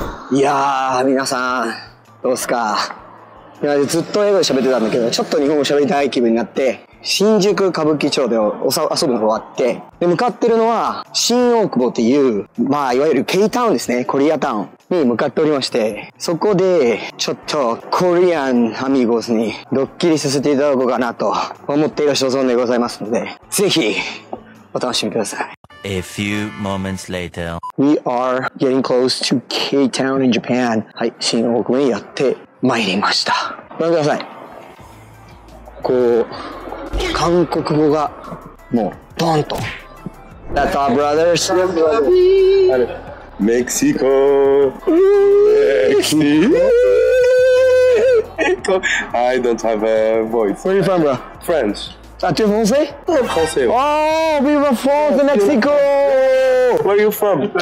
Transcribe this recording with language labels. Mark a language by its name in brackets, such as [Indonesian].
[Japanese] いやー、皆さん、どうすか。いや、ずっと英語で喋ってたんだけど、ちょっと日本語喋りたい気分になって、新宿歌舞伎町で遊ぶの終わって、で、向かってるのは、新大久保っていう、まあ、いわゆる K タウンですね、コリアタウンに向かっておりまして、そこで、ちょっと、コリアンアミゴスにドッキリさせていただこうかなと思っている所存でございますので、ぜひ、お楽しみください。 [English] A few moments later. We are getting close to K Town in Japan. [Japanese] はい、新大久保にやって参りました。ご覧ください。こう、韓国語がもうドンと [English] That's our brothers メキシコI don't have a voice Where are you from bro? French [French] Ah, tu es français? Français Oh, vive France de Mexico [English] Where are you from?